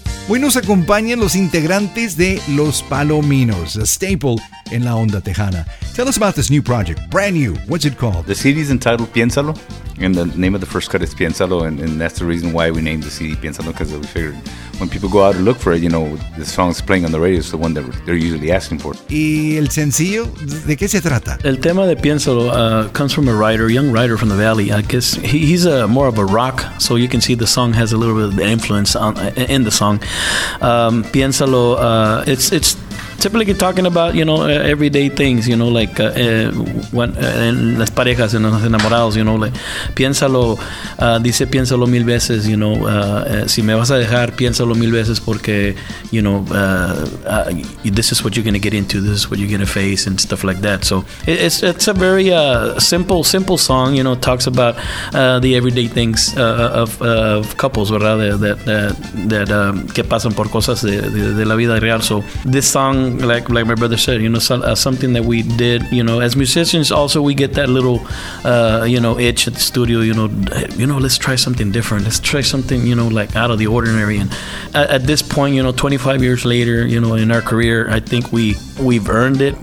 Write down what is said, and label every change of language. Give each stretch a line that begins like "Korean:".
Spanish: Hoy nos acompañan los integrantes de Los Palominos,
English: a staple
Spanish: en la onda tejana.
English: Tell us about this new project, brand new. What's it called? The CD is entitled Piénsalo, and the name of the first cut is Piénsalo, and that's the reason why we named the CD Piénsalo, because we figured when people go out and look for it, you know, the song's playing on the radio, it's the one that they're usually asking for.
Spanish: ¿Y el sencillo? ¿De qué se trata? El tema de
English: Piénsalo comes from a writer, a young writer from the Valley. I guess he's a more of a rock, so you can see the song has a little bit of influence in the song. Piénsalo, it's typically talking about, you know, everyday things, you know, like when
Spanish: en las parejas, en los enamorados,
English: you know, like, piénsalo,
Spanish: dice piénsalo mil veces,
English: you know,
Spanish: si me vas a dejar, piénsalo mil veces porque,
English: you know, this is what you're going to get into, this is what you're going to face and stuff like that. So it's a very simple song, you know, talks about the everyday things of couples, ¿verdad?
Spanish: That que pasan por cosas de la vida real.
English: So this song, like my brother said, you know, something that we did, you know, as musicians also we get that little you know, itch at the studio, you know, let's try something different, let's try something, you know, like out of the ordinary. And at this point, you know, 25 years later, you know, in our career, I think we've earned it.